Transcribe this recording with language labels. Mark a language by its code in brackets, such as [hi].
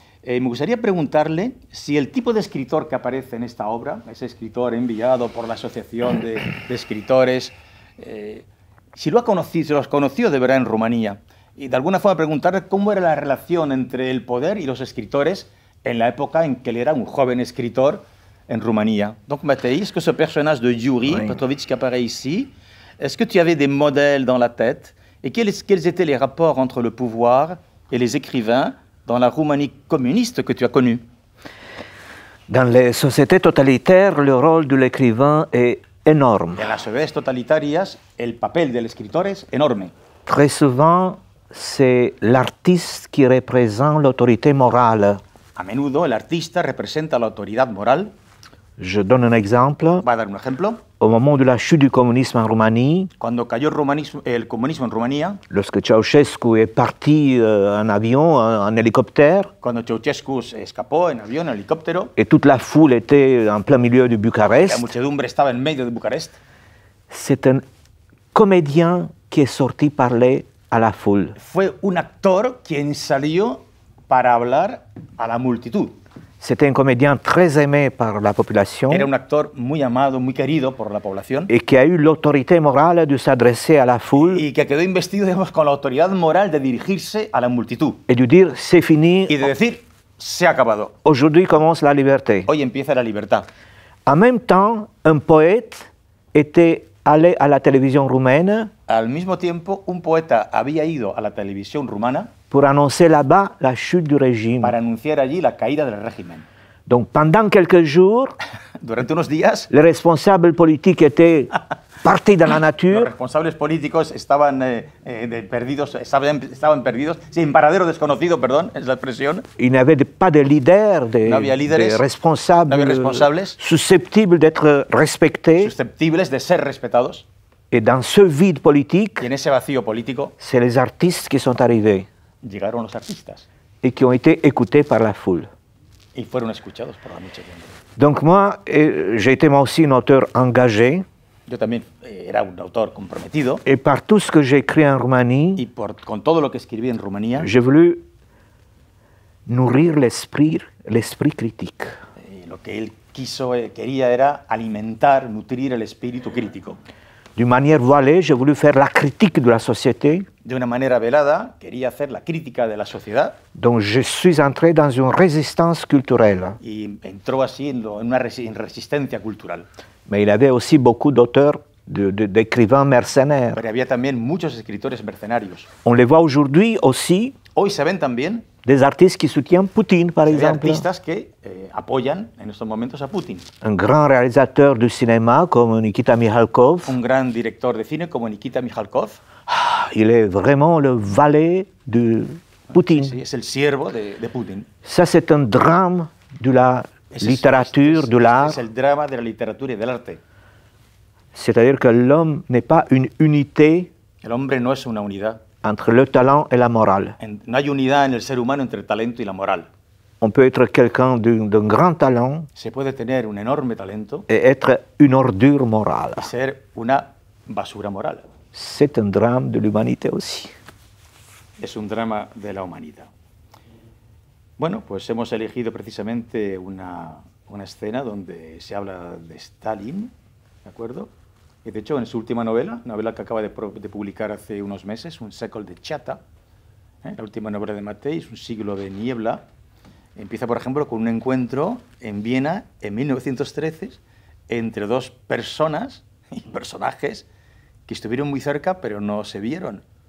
[es] Me gustaría preguntarle si el tipo de escritor que aparece en esta obra, ese escritor enviado por la Asociación de Escritores, si lo ha conocido, si los conoció de verdad en Rumanía. Y de alguna forma preguntarle cómo era la relación entre el poder y los escritores en la época en que él era un joven escritor en Rumanía. [fr] Donc, Matei, que ce personnage de Yuri Petrovitch qui apparaît ici, est-ce que tu avais des modèles dans la tête? Et quels étaient les rapports entre le pouvoir et les écrivains dans la Roumanie communiste que tu as connue? Dans les sociétés totalitaires, le rôle de l'écrivain est énorme. [es] En las sociedades totalitarias, el papel del escritor es enorme. [fr] Très souvent, c'est l'artiste qui représente l'autorité morale. [es] A menudo, el artista representa la autoridad moral. [fr] Je donne un exemple. [es] Va a dar un ejemplo. [fr] Au moment de la chute du communisme en Roumanie. [es] Cuando cayó el comunismo en Rumanía. [fr] Lorsque Ceausescu est parti en avion, en hélicoptère. [es] Cuando Ceausescu se escapó en avión, en helicóptero. [fr] Et toute la foule était en plein milieu de Bucarest. [es] La muchedumbre estaba en medio de Bucarest. [fr] C'est un comédien qui est sorti parler à la foule. [es] Fue un actor quien salió para hablar a la multitud. [fr] C'était un comédien très aimé par la population. [es] Era un actor muy amado, muy querido por la población. [fr] Et qui a eu l'autorité morale de s'adresser à la foule. [es] Y que quedó investido, digamos, con la autoridad moral de dirigirse a la multitud. [fr] Et de dire c'est fini. [es] Y de decir se ha acabado. [fr] Aujourd'hui commence la liberté. [es] Hoy empieza la libertad. [fr] En même temps, un poète était allé à la télévision roumaine. [es] Al mismo tiempo, un poeta había ido a la televisión rumana. [fr] Pour annoncer là-bas la chute du régime. [es] Para anunciar allí la caída del régimen. [fr] Donc pendant quelques jours, [es] durante unos días, [fr] les responsables politiques étaient partis dans la nature. [es] Los responsables políticos estaban perdidos, sin paradero desconocido, perdón, es la expresión. [fr] Il n'y avait pas de leader, [es] no había líderes, [fr] de responsables, [es] no había responsables [fr] susceptibles d'être respectés. [es] Susceptibles de ser respetados. [fr] Et dans ce vide politique, [es] y en ese vacío político, [fr] c'est les artistes qui sont arrivés. [es] Llegaron los artistas. Y que han sido escuchados por la foule. Y fueron escuchados por la muchedumbre. [fr] Donc, moi, j'ai été moi aussi un auteur engagé. [es] Yo también era un autor comprometido. [fr] Et par tout ce que j'ai écrit en Roumanie. [es] Y con todo lo que escribí en Rumanía. [fr] J'ai voulu nourrir l'esprit critique. [es] Lo que él quiso, quería era alimentar, nutrir el espíritu crítico. [fr] D'une manière voilée, j'ai voulu faire la critique de la société. [es] De una manera velada, quería hacer la crítica de la sociedad. [fr] Donc je suis entré dans une résistance culturelle. [es] Y entró así en una resistencia cultural. [fr] Mais il y avait aussi beaucoup d'auteurs, d'écrivains mercenaires. [es] Pero había también muchos escritores mercenarios. [fr] On les voit aujourd'hui aussi. [es] Hoy se ven también. [fr] Des artistes qui soutiennent Poutine, par exemple. Des artistes qui appuient [es] en estos momentos a Poutine. [fr] Un grand réalisateur de cinéma comme Nikita Mikhalkov. Un grand directeur de cinéma comme Nikita Mikhalkov. Il est vraiment le valet de Poutine. [es] Sí, es el siervo de Poutine. [fr] Ça, c'est un drame de la littérature, de l'art. [es] Es el drama de la literatura y del arte. [fr] C'est-à-dire que l'homme n'est pas une unité. [es] El hombre no es una unidad. [fr] Entre le talent et la morale. [es] No hay unidad en el ser humano entre el talento y la moral. [fr] On peut être quelqu'un d'un grand talent. [es] Se puede tener un enorme talento. [fr] Et être une ordure morale. [es] Y ser una basura moral. [fr] C'est un drame de l'humanité aussi. [es] Es un drama de la humanidad. Bueno, pues hemos elegido precisamente una escena donde se habla de Stalin, ¿de acuerdo? De hecho, en su última novela, novela que acaba de publicar hace unos meses, Un século de chata, la última novela de Matei, Un siglo de niebla, empieza, por ejemplo, con un encuentro en Viena en 1913 entre dos personas y personajes que estuvieron muy cerca, pero no se vieron.